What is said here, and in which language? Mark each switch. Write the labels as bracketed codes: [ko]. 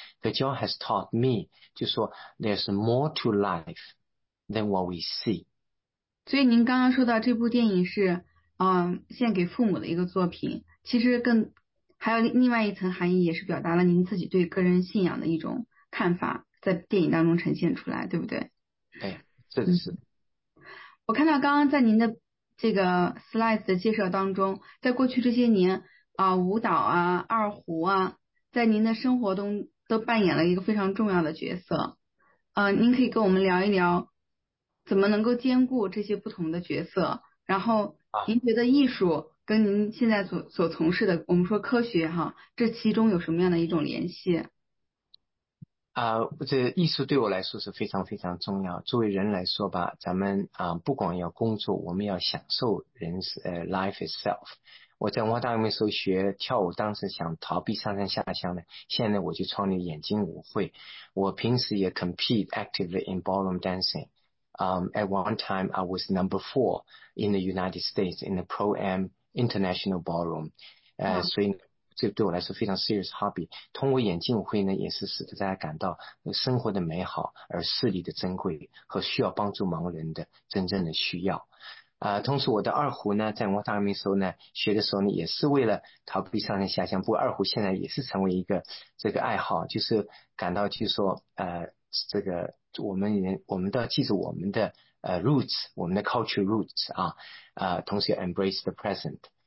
[en] Kajal has taught me [zh] 就说 [en] there's more to life than what we see。 [zh] 所以您刚刚说到这部电影是献给父母的一个作品，其实更还有另外一层含义，也是表达了您自己对个人信仰的一种看法，在电影当中呈现出来，对不对？对，这是。我看到刚刚在您的这个 slides 的介绍当中，在过去这些年舞蹈啊二胡啊在您的生活中都扮演了一个非常重要的角色。您可以跟我们聊一聊怎么能够兼顾这些不同的角色？然后您觉得艺术跟您现在所从事的我们说科学哈，这其中有什么样的一种联系？这艺术对我来说是非常非常重要。作为人来说吧，咱们不光要工作，我们要享受人 [en] life itself。 [zh] 我在文化大革命时候学跳舞，当时想逃避上山下乡的，现在我就创立眼睛舞会。我平时也 [en] compete actively in ballroom dancing。 At one time I was number 4 in the United States in the Pro-Am International Ballroom。 [zh] 所以这对我来说非常 [en] serious hobby。 [zh] 通过眼镜舞会呢，也是使得大家感到生活的美好，而视力的珍贵和需要帮助盲人的真正的需要。同时我的二胡呢，在文化大革命时候呢，学的时候呢，也是为了逃避上山下乡。不过二胡现在也是成为一个这个爱好，就是感到就是说这个我们都要记住我们的roots， 我们的 [en] culture roots [zh] 啊，同时要 [en] embrace the present。